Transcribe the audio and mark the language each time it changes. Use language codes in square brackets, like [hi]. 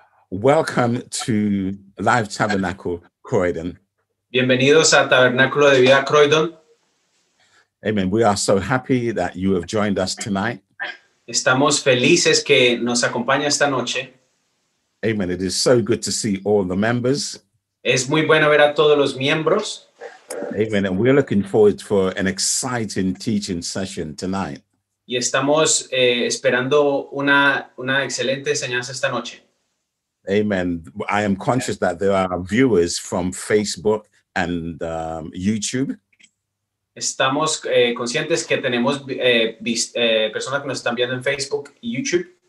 [en] Welcome to Live Tabernacle, Croydon. [es] Bienvenidos a Tabernáculo de Vida, Croydon. [en] Amen. We are so happy that you have joined us tonight. [es] Estamos felices que nos acompaña esta noche. [en] Amen. It is so good to see all the members. [es] Es muy bueno ver a todos los miembros. [en] Amen. And we're looking forward for an exciting teaching session tonight. [es] Y estamos esperando una excelente enseñanza esta noche. [en] Amen. I am conscious that there are viewers from Facebook and YouTube. [es] Estamos conscientes que tenemos personas que nos están viendo en Facebook y YouTube.